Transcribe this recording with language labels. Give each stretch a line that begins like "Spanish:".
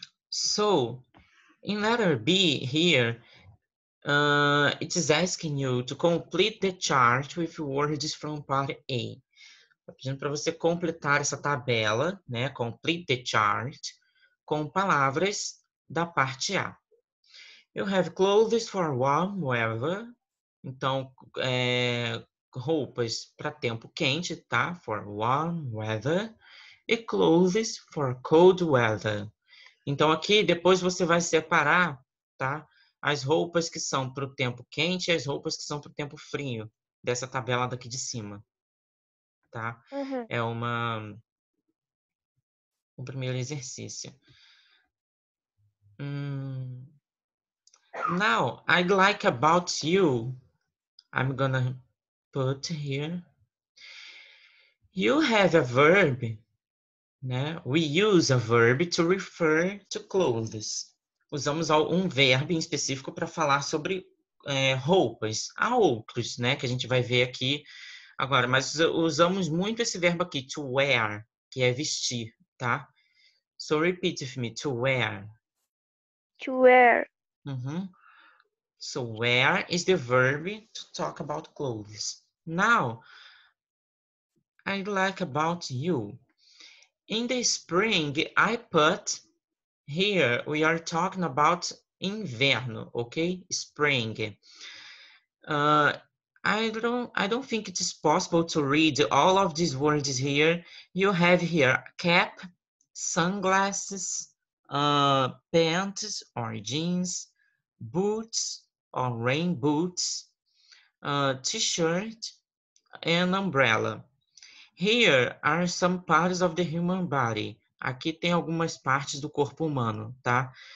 English: So, in letter B here, it is asking you to complete the chart with words from part A.
Portuguese: Tá pedindo para você completar essa tabela, né?
English: Complete the chart
Portuguese: com palavras da parte A.
English: You have clothes for warm weather.
Portuguese: Então, roupas para tempo quente, tá?
English: For warm weather. E clothes for cold weather.
Portuguese: Então, aqui, depois você vai separar, tá? As roupas que são para o tempo quente e as roupas que são para o tempo frio. Dessa tabela daqui de cima. Tá? É uma... O primeiro exercício.
English: Now, I'd like about you. I'm gonna put here. You have a verb, né? We use a verb to refer to clothes.
Portuguese: Usamos um verbo em específico para falar sobre roupas. Há outros, né? Que a gente vai ver aqui agora. Mas usamos muito esse verbo aqui, to wear, que é vestir, tá?
English: So repeat with me, to wear. To wear. So, where is the verb to talk about clothes? Now, I'd like about you. In the spring, I put here, we are talking about inverno, okay? Spring. I don't think it is possible to read all of these words here. You have here cap, sunglasses, pants or jeans, boots, or rain boots, t-shirt, and umbrella. Here are some parts of the human body.
Portuguese: Aqui tem algumas partes do corpo humano, tá?